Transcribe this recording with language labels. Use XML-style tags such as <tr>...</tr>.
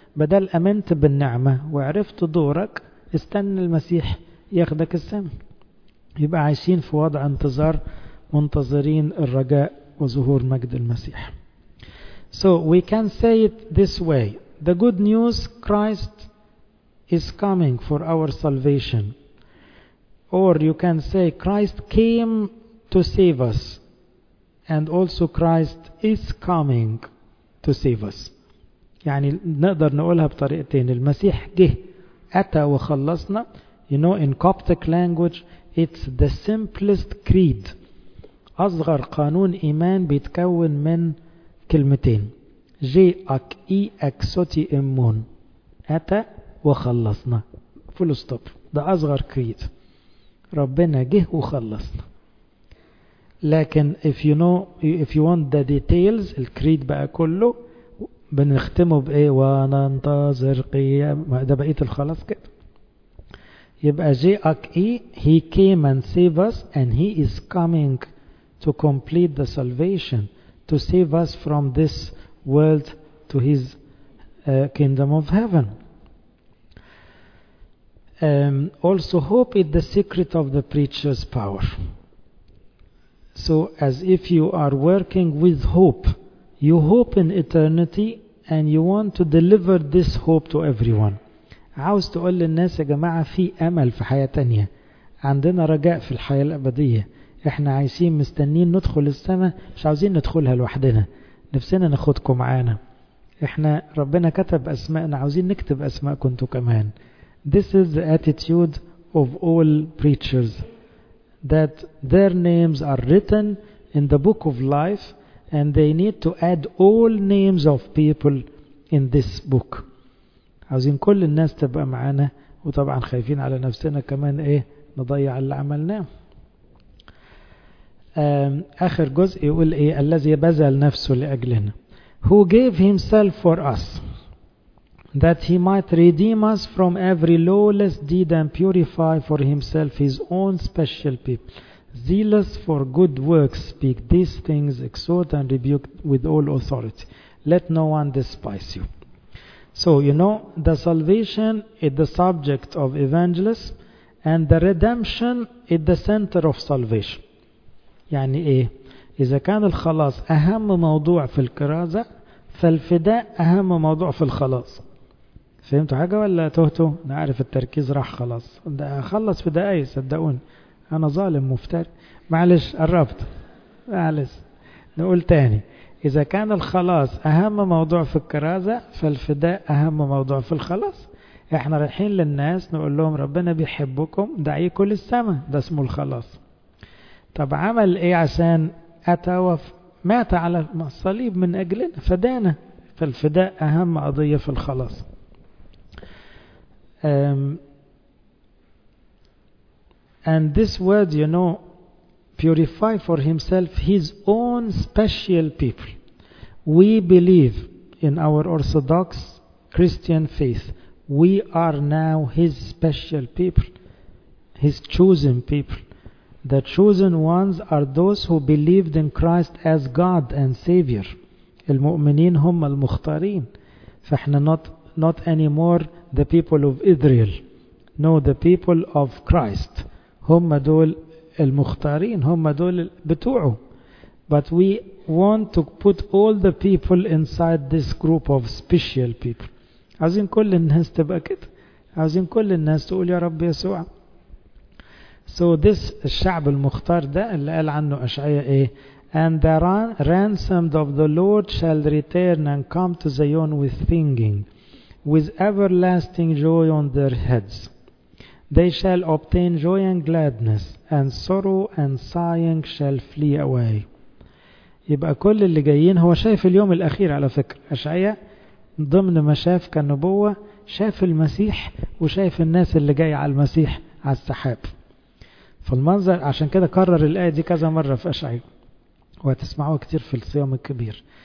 <ar>بدل أمنت بالنعمة وعرفت دورك استنى المسيح ياخدك السماء. يبقى عايشين في وضع انتظار منتظرين الرجاء وظهور مجد المسيح.</ar> <en>So we can say it this way. The good news, Christ is coming for our salvation. Or you can say Christ came to save us. And also Christ is coming to save us.</en> <ar>يعني نقدر نقولها بطريقتين. المسيح جه أتى وخلصنا.</ar> <en>You know in Coptic language it's the simplest creed.</en> <ar>أصغر قانون إيمان بيتكون من كلمتين.</ar> <cop>جيك إي أكسوتي إمون.</cop> <ar>أتى وخلصنا. Full stop. ده أصغر كريد. ربنا جه وخلصنا. لكن</ar> <en>if you know, if you want the details,</en> <ar>الكريد بقى كله بنختمه بإيه؟ وننتظر قيام. ده بقية الخلاص كده.</ar> <en>يبقى</en> <cop>جيك إي</cop> <en>he came and save us and he is coming to complete the salvation, to save us from this world to his kingdom of heaven. Also hope is the secret of the preacher's power. So as if you are working with hope, you hope in eternity and you want to deliver this hope to everyone.</en> <ar>عاوز تقول للناس يا جماعة في أمل في حياة تانية. عندنا رجاء في الحياة الأبدية. احنا عايشين مستنين ندخل السماء، مش عاوزين ندخلها لوحدنا، نفسنا ناخدكم معانا. احنا ربنا كتب أسماءنا، عاوزين نكتب أسماءكم كمان.</ar> <en>This is the attitude of all preachers, that their names are written in the book of life and they need to add all names of people in this book.</en> <ar>عاوزين كل الناس تبقى معانا، وطبعا خايفين على نفسنا كمان ايه نضيع اللي عملناه. آخر جزء يقول ايه، الذي بذل نفسه لأجلنا.</ar> <en>Who gave himself for us that he might redeem us from every lawless deed and purify for himself his own special people, zealous for good works, speak these things, exhort and rebuke with all authority. Let no one despise you. So, you know, the salvation is the subject of evangelism and the redemption is the center of salvation.</en> <ar>يعني ايه؟ إذا كان الخلاص أهم موضوع في الكرازة، فالفداء أهم موضوع في الخلاص. فهمتوا حاجة ولا تهتوا؟ نعرف التركيز راح خلاص، ده أخلص فدائي صدقوني، أنا ظالم مفتري، معلش قربت، معلش. نقول تاني، إذا كان الخلاص أهم موضوع في الكرازة، فالفداء أهم موضوع في الخلاص. إحنا رايحين للناس نقول لهم ربنا بيحبكم، دعيكم للسماء، ده اسمه الخلاص. طب عمل إيه عشان أتوف؟ مات على الصليب من أجلنا، فدانا، فالفداء أهم قضية في الخلاص.</ar> <en>And this word, you know, purify for himself his own special people. We believe in our Orthodox Christian faith. We are now his special people, his chosen people. The chosen ones are those who believed in Christ as God and Savior.</en> <ar>المؤمنين هم المختارين.</ar> <en>فإحنا not anymore the people of Israel. No, the people of Christ.</en> <ar>هم دول المختارين. هم دول بتوعه.</ar> <en>But we want to put all the people inside this group of special people.</en> <ar>عاوزين كل الناس تبقى كده. عاوزين كل الناس تقول يا رب يسوع.</ar> <en>So this</en> <ar>الشعب المختار ده اللي قال عنه أشعياء إيه؟</ar> <en>And the ransomed of the Lord shall return and come to Zion with singing, with everlasting joy on their heads. They shall obtain joy and gladness, and sorrow and sighing shall flee away.</en> <ar>يبقى كل اللي جايين هو شايف اليوم الأخير على فكرة. أشعياء ضمن ما شاف كالنبوة شاف المسيح وشايف الناس اللي جاي على المسيح على السحاب. فالمنظر عشان كده كرر الآية دي كذا مرة في أشعياء، وهتسمعوها كتير في الصيام الكبير.</ar>